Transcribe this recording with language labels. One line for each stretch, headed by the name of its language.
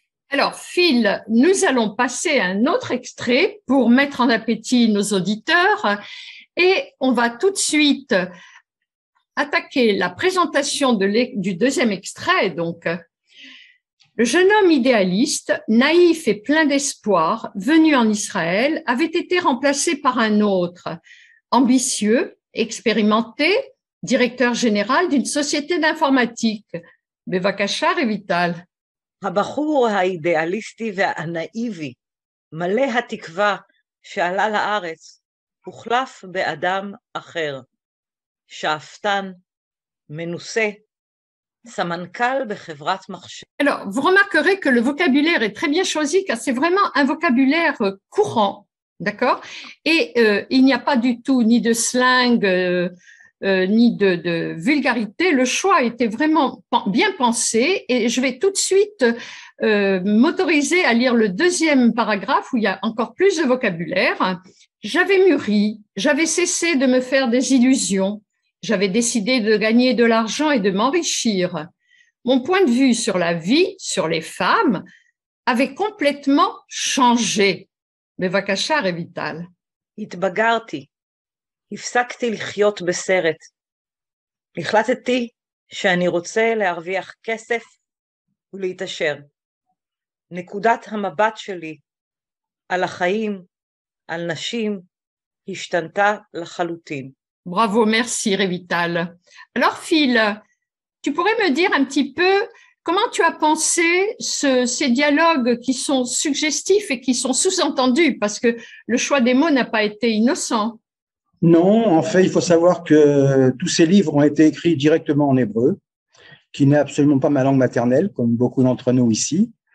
French: Alors, Phil, nous allons passer à un autre extrait pour mettre en appétit nos auditeurs et on va tout de suite attaquer la présentation du deuxième extrait. Donc, Le jeune homme idéaliste, naïf et plein d'espoir, venu en Israël, avait été remplacé par un autre, ambitieux, expérimenté, directeur général d'une société d'informatique.
Hebrew: Bevakasha, Revital. הבחור האידיאליסטי והנאיבי, מלא התקווה שעלה לארץ, הוחלף באדם אחר, שאפתן, מנוסה, סמנכ"ל בחברת מחשב.
French: Alors, vous remarquerez que le vocabulaire est très bien choisi car c'est vraiment un vocabulaire courant, d'accord? Et il n'y a pas du tout ni de slang, ni de vulgarité. Le choix était vraiment bien pensé et je vais tout de suite m'autoriser à lire le deuxième paragraphe où il y a encore plus de vocabulaire. J'avais mûri, j'avais cessé de me faire des illusions, j'avais décidé de gagner de l'argent et de m'enrichir. Mon point de vue sur la vie, sur les femmes, avait complètement changé.
Hebrew: Bevakasha, Revital. Itbagarti. הפסקתי לחיות בסרט. החלטתי שאני רוצה להרוויח כסף ולהתעשר. נקודת המבט שלי על החיים, על נשים, השתנתה לחלוטין.
French: Bravo, merci, Revital. Alors, Phil, tu pourrais me dire un petit peu comment tu as pensé ces dialogues qui sont suggestifs et qui sont sous-entendus, parce que le choix des mots n'a pas été innocent. Non, en fait, il faut savoir que tous ces livres ont été écrits directement en hébreu, qui n'est absolument pas ma langue maternelle, comme beaucoup d'entre nous ici.